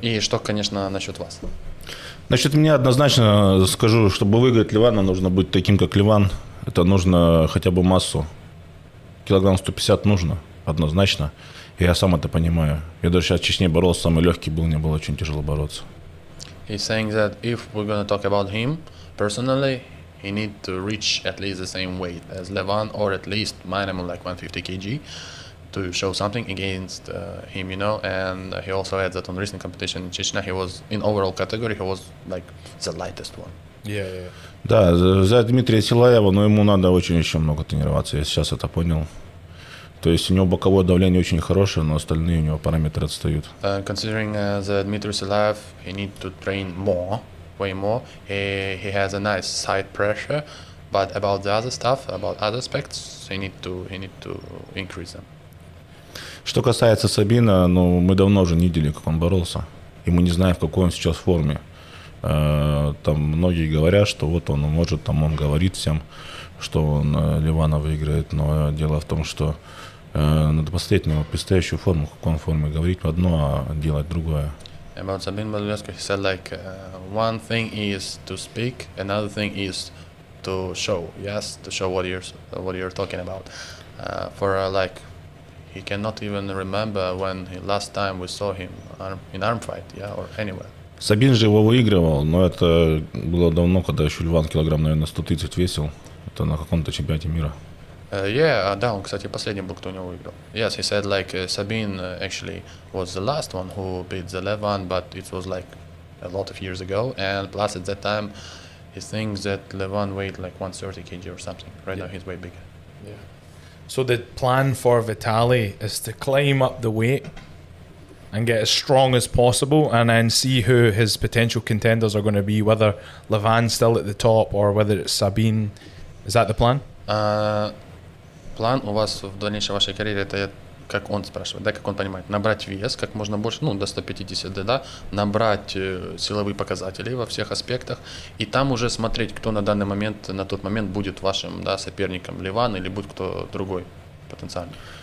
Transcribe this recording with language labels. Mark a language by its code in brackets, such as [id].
[ru] И что, конечно, насчет вас? Значит, мне однозначно скажу, чтобы выиграть Ливана, нужно быть таким, как Ливан. Это нужно хотя бы массу. Килограмм 150 нужно, однозначно. И я сам это понимаю. Я даже сейчас в Чечне боролся, самый легкий был, мне было очень тяжело бороться. [en] He's saying that if we're going to talk about him personally, he need to reach at least the same weight as Levan, or at least minimum like 150 kg to show something against him, you know. And he also had that on recent competition in Chechnya, he was in overall category, he was like the lightest one. Yeah. [ru] Да, за Дмитрия Силаева, но ему надо очень еще много тренироваться, я сейчас это понял. То есть у него боковое давление очень хорошее, но остальные у него параметры отстают. [en] Considering the Dmitry Silaev, he need to train more, way more. He has a nice side pressure, but about the other stuff, about other aspects, he need to increase them. [ru] Что касается Сабина, ну мы давно уже не видели, как он боролся, и мы не знаем, в какой он сейчас форме. Там многие говорят, что вот он может, там он говорит всем, что он Ливана выиграет, но дело в том, что надо посмотреть на его предстоящую форму, в каком форме говорить одно, а делать другое. [en] About Sabin Badulescu, he said like one thing is to speak, another thing is to show. Yes, to show what you're talking about. For he cannot even remember when he last time we saw him in arm fight, yeah, or anywhere. [ru] Сабин же его выигрывал, но это было давно, когда еще Ливан килограмм, наверное, 130 весил. Это на каком-то чемпионате мира. Да, он, кстати, последний был, кто у него выиграл. [en] Yes, he said like Sabin actually was the last one who beat the Levan, but it was like a lot of years ago. And plus at that time, he thinks that Levan weighed like 130 kg or something. Right, yeah. Now he's way bigger. Yeah. So the plan for Vitaly is to climb up the weight and get as strong as possible, and then see who his potential contenders are going to be, whether Levan's still at the top or whether it's Sabin. Is that the plan? [ru] План у вас в дальнейшем вашей карьере, это как он спрашивает, да, как он понимает, набрать вес как можно больше, ну, до 150, да, набрать силовые показатели во всех аспектах, и там уже смотреть, кто на данный момент, на тот момент будет вашим, да, соперником, Ливан или будет кто другой потенциальный.